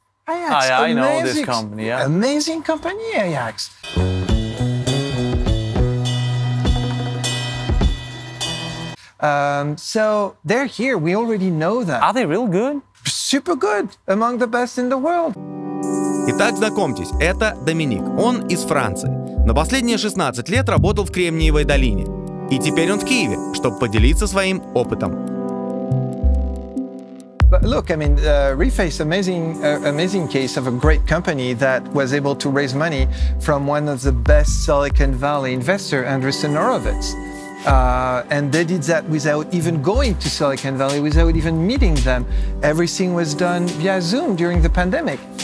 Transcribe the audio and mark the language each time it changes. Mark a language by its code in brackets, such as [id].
[en] I know this company. Yeah. Amazing company, Ajax. So they're here. We already know that. Are they real good? Super good, among the best in the world. [ru] Итак, знакомьтесь, это Доминик. Он из Франции. На последние 16 лет работал в Кремниевой долине. И теперь он в Киеве, чтобы поделиться своим опытом. [en] But look, I mean, Reface, amazing case of a great company that was able to raise money from one of the best Silicon Valley investors, Andreessen Horowitz. And they did that without even going to Silicon Valley, without even meeting them. Everything was done via Zoom during the pandemic.